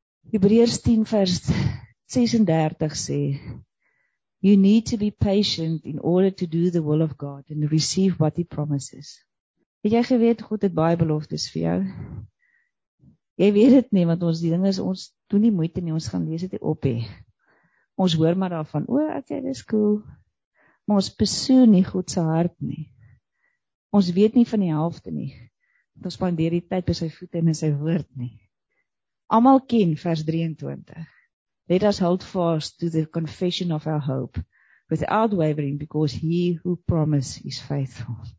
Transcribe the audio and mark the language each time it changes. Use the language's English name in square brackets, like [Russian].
[Afrikaans] Hebreërs 10 vers 36 sê, [English] you need to be patient in order to do the will of God and receive what he promises. [Afrikaans] Het jy geweet, God het baie beloftes vir jou? Jy weet het nie, want ons die ding is, ons doen nie moeite nie, ons gaan lees het op he. Ons hoor maar daarvan, okay, dis cool. Maar ons pursue nie God se hart nie. Ons weet nie van die helfte nie. Ons spandeer die tyd by sy voete en in sy woord nie. Almal ken vers 23. [English] Let us hold fast to the confession of our hope without wavering because he who promised is faithful.